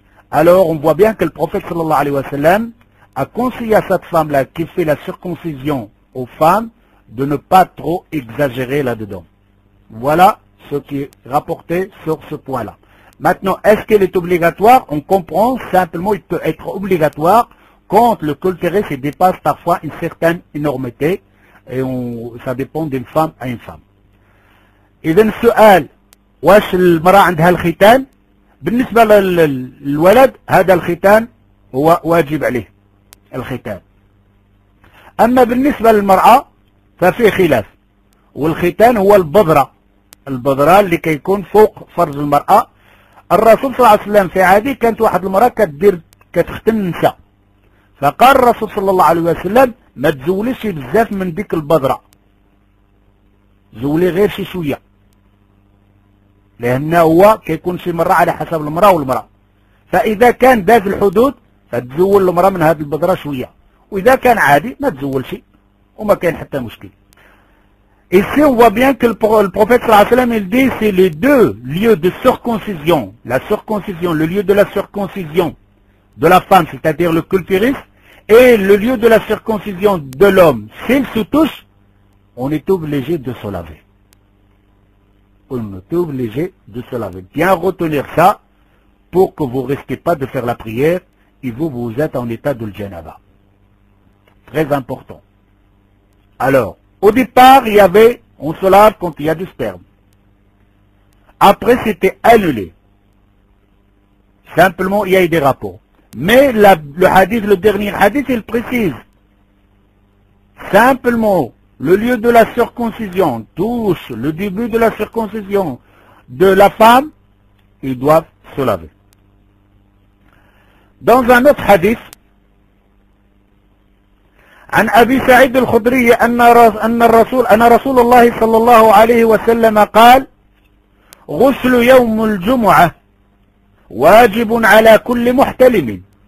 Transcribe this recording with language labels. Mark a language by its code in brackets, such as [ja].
[fr] Alors on voit bien que le prophète sallallahu alayhi wa sallam a conseillé à cette femme-là qui fait la circoncision aux femmes de ne pas trop exagérer là-dedans. Voilà ce qui est rapporté sur ce point-là. Maintenant, est-ce qu'elle est obligatoire? On comprend simplement qu'il peut être obligatoire quand le cultérus se dépasse parfois une certaine énormité et ça dépend d'une femme à une femme. [ar] إذا السؤال واش المرأة عندها الختان؟ بالنسبة للولد هذا الختان هو واجب عليه الختان. أما بالنسبة للمرأة ففي خلاف، والختان هو البذرة، البذرة اللي كيكون فوق فرج المرأة. الرسول صلى الله عليه وسلم في عهده كانت واحد المرأة كتختن النساء، فقال الرسول صلى الله عليه وسلم ما تزوليش بزاف من ديك البذرة، زولي غير شي شوية. لأنه هو كيكون شي مرة على حسب المرأة والمرأة، فإذا كان داز الحدود فتزول المرأة من هذه البذرة شوية، وإذا كان عادي ما تزولش وما كاين حتى مشكل. [fr] Ici on voit bien que le prophète صلى الله عليه وسلم il dit c'est les deux lieux de circoncision. La circoncision, le lieu de la circoncision de la femme, c'est-à-dire le clitoris, et le lieu de la circoncision de l'homme. S'ils se touchent, on est obligé de se laver. On est obligé de se laver. Bien retenir ça pour que vous ne restiez pas de faire la prière et vous êtes en état de janaba. Très important. Alors, au départ, il y avait, on se lave quand il y a du sperme. Après, c'était annulé. Simplement, il y a eu des rapports. Mais le hadith, le dernier hadith, il précise. Simplement, le lieu de la circoncision touche le début de la circoncision de la femme, ils doivent se laver. Dans un autre hadith, [ar] عن أبي سعيد الخدري أن الرسول أن رسول الله صلى الله عليه وسلم قال غسل يوم الجمعة واجب على كل محتلم.